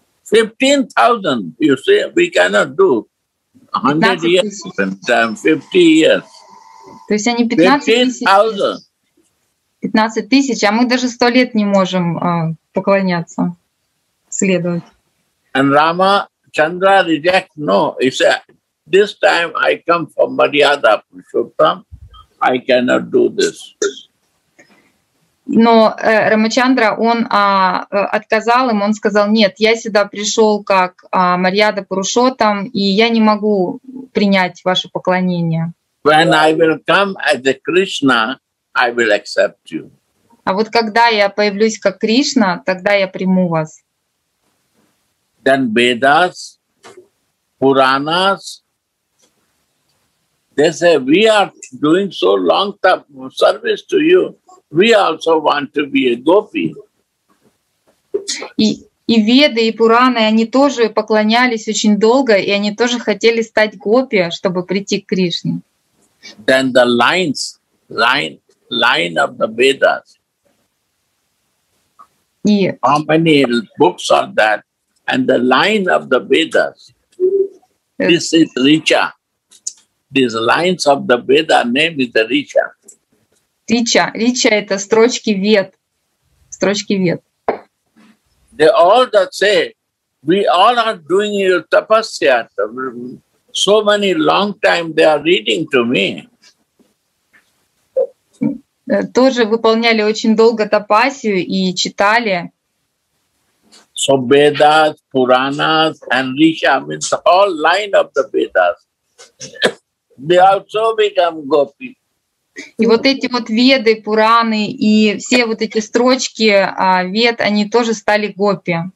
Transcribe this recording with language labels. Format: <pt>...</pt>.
<en>15,000, you see, we cannot do. 100 years, 50 years.</en> <ru>То есть они 15 тысяч, а мы даже 100 лет не можем поклоняться, следовать.</ru> <en>And Rama Chandra reject, no. He said, this time I come from Maryada Purushottam, I cannot do this.</en> <ru>Но Рамачандра, он отказал им, он сказал, нет, я сюда пришел как Мариада Пурушоттам, и я не могу принять ваше поклонение.</ru> <en>When I will come as a Krishna, I will accept you.</en> <ru>А вот когда я появлюсь как Кришна, тогда я приму вас.</ru> <en>Then Vedas, Puranas, they say, we are doing so long service to you. We also want to be a gopi.</en> <ru>И Веды, и Пураны, они тоже поклонялись очень долго, и они тоже хотели стать гопи, чтобы прийти к Кришне.</ru> <en>Then the lines, line of the Vedas. Yeah. How many books are that? And the line of the Vedas. This is Richa. These lines of the Veda name is the Richa.</en> <ru>Рича. Рича — это строчки Вед. Строчки Вед.</ru> <en>They all that say, we all are doing your tapasya. So many long time they are reading to me.</en> <ru>Тоже выполняли очень долго тапасию и читали.</ru> <en>So Vedas, Puranas and Risha means all line of the Vedas. They also become gopi.</en> <ru>И вот эти вот Веды, Пураны и все вот эти строчки Вед, они тоже стали гопи.</ru>